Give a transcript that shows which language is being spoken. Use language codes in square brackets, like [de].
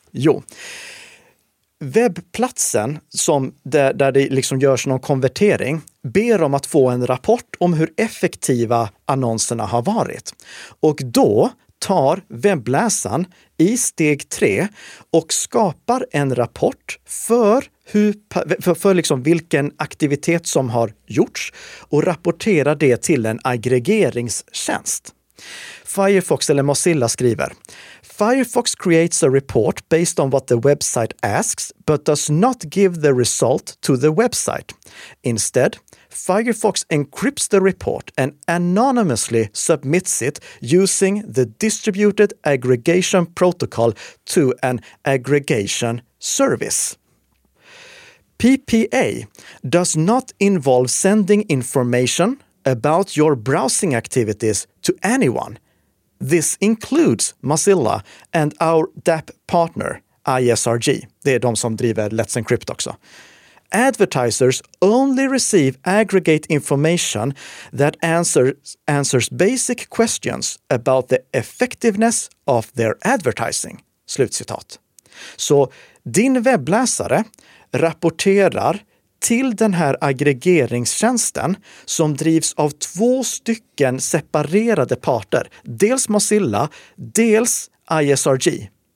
[sv] Jo, webbplatsen som där det liksom görs någon konvertering ber om att få en rapport om hur effektiva annonserna har varit. Och då tar webbläsaren i steg 3 och skapar en rapport för liksom vilken aktivitet som har gjorts och rapporterar det till en aggregeringstjänst. Firefox eller Mozilla skriver: [en] Firefox creates a report based on what the website asks but does not give the result to the website. Instead, Firefox encrypts the report and anonymously submits it using the distributed aggregation protocol to an aggregation service. PPA does not involve sending information about your browsing activities to anyone. This includes Mozilla and our DAP partner, ISRG. [sv] Det är de som driver Let's Encrypt också. [en] Advertisers only receive aggregate information that answers basic questions about the effectiveness of their advertising. [sv] Slutcitat. Så din webbläsare rapporterar till den här aggregeringstjänsten som drivs av två stycken separerade parter. Dels Mozilla, dels ISRG.